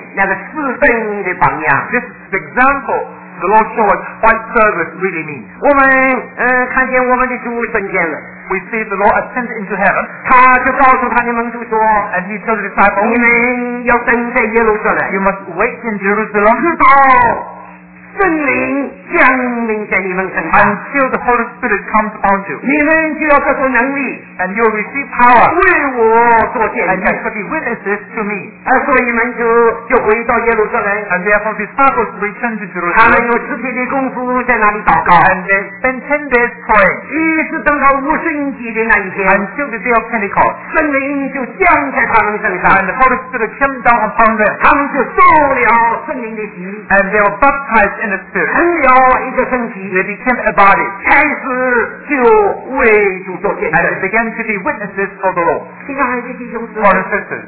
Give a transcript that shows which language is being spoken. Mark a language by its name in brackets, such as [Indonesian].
[Chinese] 亲爱的弟兄姊妹，这一个就是主给我们看见那个侍奉的榜样。 [English] This is the example the Lord showed us what service really means. [Chinese] 我们看见我们的主升天了。 [English] We see the Lord ascended into heaven. [Chinese] 他就告诉他的门徒说， [English] And He told the disciples, [Chinese] 你们要等在耶路撒冷。 [English] You must wait in Jerusalem. [Chinese] 圣灵降临在你们身上。 [English] Until the Holy Spirit comes upon you. [Chinese] 你们就要得到能力。 [English] And you will receive power. [Chinese] 为我做见证。 [English] And you will be witnesses to me. [Chinese] 所以你们就回到耶路撒冷。 [English] And therefore disciples return to Jerusalem. [Chinese] 他们有十天的功夫在那里祷告。 [English] And they spend 10 days praying. [Chinese] 一直等到五旬节的那一天。 [English] Until the day of Pentecost. [Chinese] 圣灵就降在他们身上。 [English] And the Holy Spirit came down upon them. [Chinese] 他们就受了圣灵的洗。 [English] And they were baptized in the Spirit. [Chinese] 成了一个身体。 [English] They became a body. [Chinese] 开始就为主做见证。 [English] To be witnesses for the Lord. Brothers and sisters,